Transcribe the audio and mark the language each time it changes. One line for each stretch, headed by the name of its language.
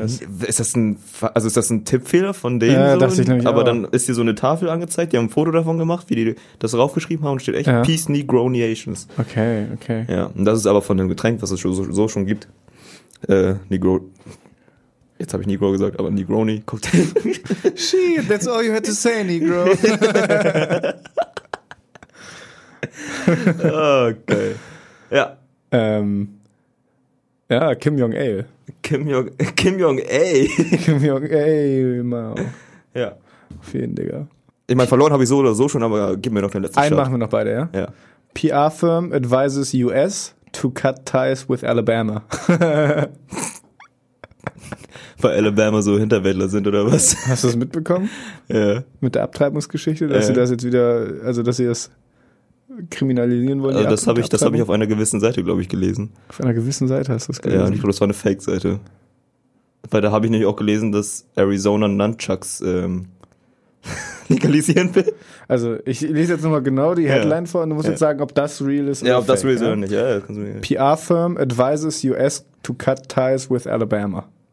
German: Ist das ein Tippfehler von denen? Ja, so? Dachte ich nämlich aber auch. Dann ist hier so eine Tafel angezeigt, die haben ein Foto davon gemacht, wie die das draufgeschrieben haben und steht echt Peace Negroniations. Okay, okay. Ja, und das ist aber von dem Getränk, was es schon gibt. Jetzt habe ich Negro gesagt, aber Negroni, Cocktail.
English: Shit, that's all you had to say, Negro.
German: Okay. Ja. Ja, Kim Jong-il. Kim Jong-il, Mao. Ja. Auf jeden, Digga. Ich meine, verloren habe ich so oder so schon, aber gib mir noch den letzten Einen Shot. Machen wir noch beide, ja? Ja.
English: PR-Firm advises US to cut ties with Alabama.
German: bei Alabama so Hinterwäldler sind oder was? Hast du das mitbekommen? Ja. Mit der Abtreibungsgeschichte, dass sie das jetzt wieder, also dass sie das kriminalisieren wollen? Also das habe ich, auf einer gewissen Seite, glaube ich, gelesen. Auf einer gewissen Seite hast du es gelesen? Ja, ich glaube, das war eine Fake-Seite. Weil da habe ich nämlich auch gelesen, dass Arizona Nunchucks legalisieren will. Also ich lese jetzt nochmal genau die Headline vor und du musst jetzt sagen, ob das real ist oder fake. Ja, ob das real ist oder nicht. Ja, kannst du mir.
English: PR-Firm advises US to cut ties with Alabama.